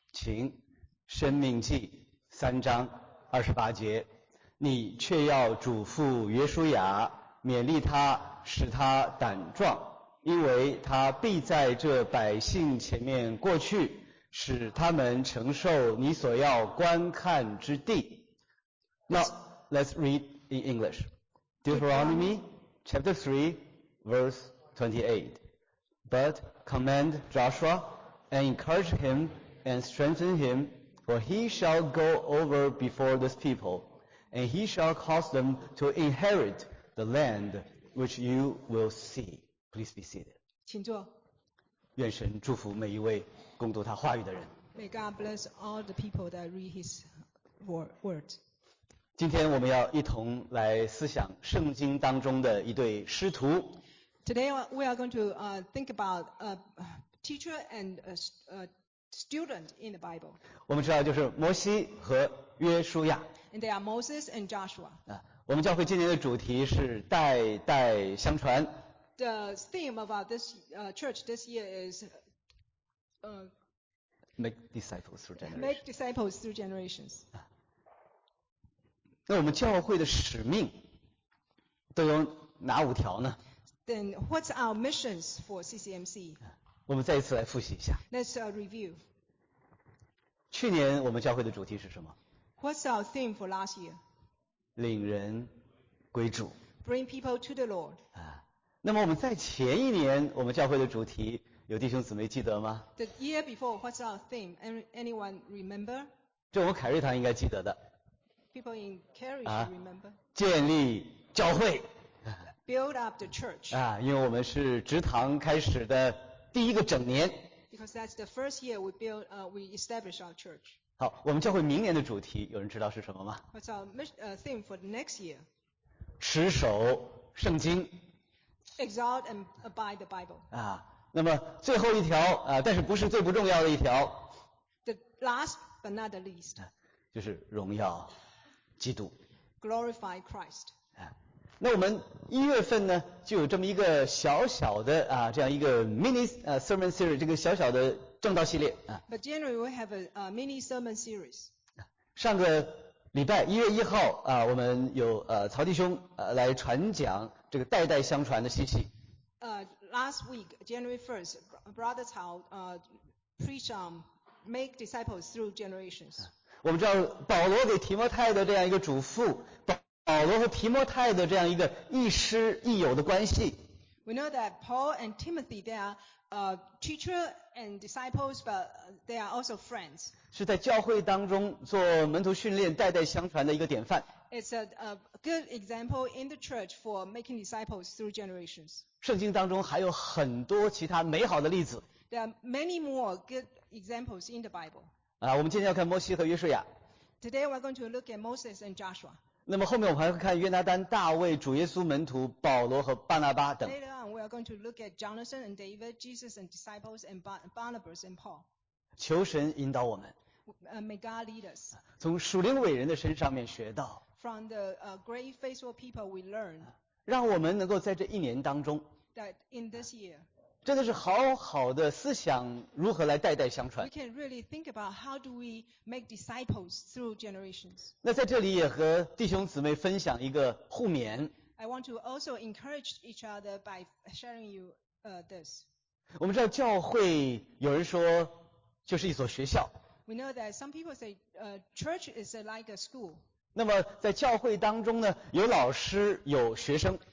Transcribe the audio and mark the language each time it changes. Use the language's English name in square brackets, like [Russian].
[Chinese] 请，《申命记》三章二十八节，你却要嘱咐约书亚，勉励他，使他胆壮，因为他必在这百姓前面过去。使他们承受你所要观看之地。 [English] Now, let's read in English. Deuteronomy chapter 3, verse 28. But command Joshua and encourage him and strengthen him, for he shall go over before this people, and he shall cause them to inherit the land which you will see. Please be seated. [Chinese] 请坐。愿神祝福每一位共读他话语的人。 [English] May God bless all the people that read His word. [Chinese] 今天我们要一同来思想圣经当中的一对师徒。 [English] Today we are going to think about a teacher and a student in the Bible. [Chinese] 我们知道就是摩西和约书亚。 [English] And they are Moses and Joshua. [Chinese] 我们教会今年的主题是代代相传。 [English] The theme of this church this year is make disciples through generations. Make disciples through generations. [Chinese] 那我们教会的使命都有哪五条呢？ [English] Then what's our missions for CCMC? [Chinese] 我们再一次来复习一下。 [English] Let's review. [Chinese] 去年我们教会的主题是什么？ [English] What's our theme for last year? [Chinese] 领人归主。 [English] Bring people to the Lord. [Chinese] 那么我们在前一年我们教会的主题有弟兄姊妹记得吗？ [English] The year before, what's our theme? Anyone remember? [Chinese] 这我们凯瑞堂应该记得的。 [English] People in Carrie should remember. [Chinese] 建立教会。 [English] Build up the church. [Chinese] 因为我们是职堂开始的第一个整年。 [English] Because that's the first year we establish our church. [Chinese] 好，我们教会明年的主题有人知道是什么吗？ [English] What's our theme for the next year? [Chinese] 持守圣经。 [English] Exalt and abide the Bible. [Chinese] 那么最后一条但是不是最不重要的一条。 [English] The last but not the least. [Chinese] 就是荣耀基督。 [English] Glorify Christ. [Chinese] 那我们一月份呢就有这么一个小小的这样一个 [English] mini sermon series, [Chinese] 这个小小的正道系列。 [English] But generally we have a mini sermon series. [Chinese] 上个礼拜一月一号我们有曹弟兄来传讲这个代代相传的信息。 [English] Last week, January 1st, Brother Cao preached on make disciples through generations. [Chinese] 我们知道保罗给提摩太的这样一个嘱咐，保罗和提摩太的这样一个亦师亦友的关系。 [English] We know that Paul and Timothy, they are teacher and disciples, but they are also friends. [Chinese] 是在教会当中做门徒训练代代相传的一个典范。 [English] It's a good example in the church for making disciples through generations. [Chinese] 圣经当中还有很多其他美好的例子。 [English] There are many more good examples in the Bible. [Chinese] 我们今天要看摩西和约书亚。 [English] Today we're going to look at Moses and Joshua. [Chinese] 那么后面我们还会看约拿丹、大卫、主耶稣门徒、保罗和巴拿巴等。 [English] Later on, we are going to look at Jonathan and David, Jesus and disciples, and Barnabas and Paul. [Chinese] 求神引导我们。 [English] May God lead us. [Chinese] 从属灵伟人的身上面学到。 [English] From the great faithful people we learn, [Chinese] 让我们能够在这一年当中 [English] that in this year, [Chinese] 真的是好好的思想如何来代代相传。 [English] We can really think about how do we make disciples through generations. [Chinese] 那在这里也和弟兄姊妹分享一个互勉。 [English] I want to also encourage each other by sharing you this. [Chinese] 我们知道教会有人说就是一所学校。 [English] We know that some people say church is like a school. [Chinese] 那么在教会当中呢有老师有学生。